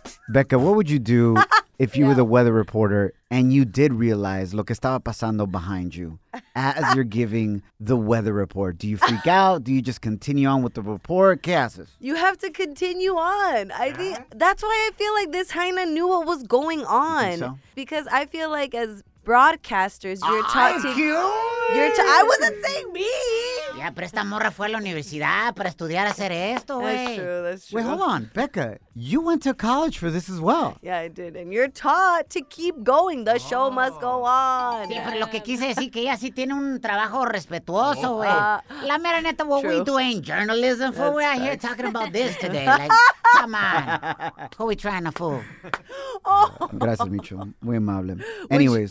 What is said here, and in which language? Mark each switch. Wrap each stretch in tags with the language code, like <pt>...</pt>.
<en>Becca, what would you do if you were the weather reporter and you did realize</en> <es>lo que estaba pasando</es> <en>behind you as you're giving the weather report? Do you freak out? Do you just continue on with the report?</en> <es>¿Qué haces?</es> <en>You have to continue on. I think that's why I feel like this hyena knew what was going on. You think so? Because I feel like as broadcasters, you're talking. I wasn't saying me.</en> <es>Yeah, pero esta morra fue a la universidad para estudiar hacer esto, güey.</es> <en>That's true. Wait, hold on. Becca, you went to college for this as well. Yeah, I did. And you're taught to keep going. The show must go on.</en> <es>Sí, pero lo que quise decir que ella sí tiene un trabajo respetuoso, güey. La mera neta,</es> <en>what we do ain't journalism for. We're out here talking about this today. Like, come on. Who we trying to fool?</en> <es>Gracias, Micho. Muy amable. Anyways.</es>